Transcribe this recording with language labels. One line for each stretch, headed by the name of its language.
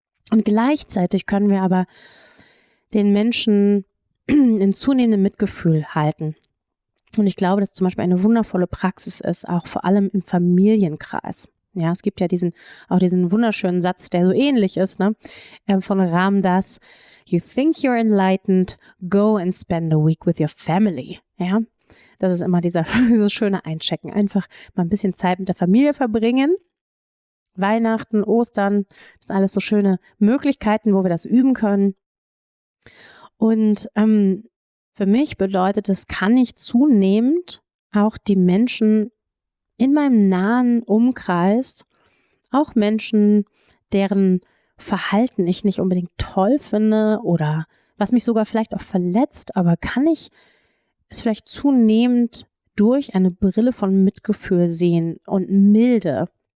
German: Und gleichzeitig können wir aber den Menschen in zunehmendem Mitgefühl halten. Und ich glaube, dass zum Beispiel eine wundervolle Praxis ist, auch vor allem im Familienkreis. Ja, es gibt ja diesen wunderschönen Satz, der so ähnlich ist, ne?
English: Von Ram Dass: You think you're enlightened, go and spend a week with your family.
German: Ja, das ist immer dieses schöne Einchecken. Einfach mal ein bisschen Zeit mit der Familie verbringen. Weihnachten, Ostern, das sind alles so schöne Möglichkeiten, wo wir das üben können. Und für mich bedeutet es, kann ich zunehmend auch die Menschen in meinem nahen Umkreis, auch Menschen, deren Verhalten ich nicht unbedingt toll finde oder was mich sogar vielleicht auch verletzt, aber kann ich es vielleicht zunehmend durch eine Brille von Mitgefühl sehen und milde?